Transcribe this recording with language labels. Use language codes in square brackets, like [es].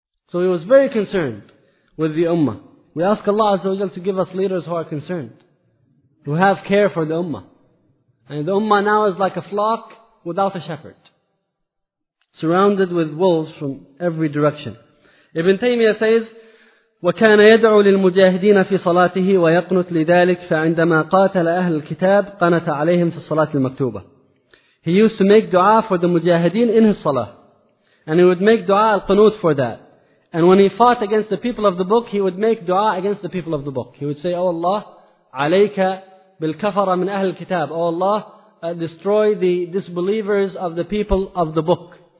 [en] So he was very concerned with the ummah. We ask Allah Azza wa Jal to give us leaders who are concerned, who have care for the ummah. And the ummah now is like a flock without a shepherd, surrounded with wolves from every direction. Ibn Taymiyyah says, [ar] وَكَانَ يَدْعُوا لِلْمُجَاهِدِينَ فِي صَلَاتِهِ وَيَقْنُتْ لِذَٰلِكَ فَعِندَمَا قَاتَلَ أَهْلِ الْكِتَابِ قَنَتَ عَلَيْهِمْ فِي الصَّلَاةِ الْمَكْتُوبَةِ. [en] He used to make dua for the mujahideen in his salah. And he would make dua al-qunut for that. And when he fought against the people of the book, he would make dua against the people of the book. He would say, Oh Allah, [ar] عَلَيْكَ بِالْكَفَرَ مِنْ أَهْلِ الْكِتَابِ. [en] Oh Allah, destroy the disbelievers of the people of the book.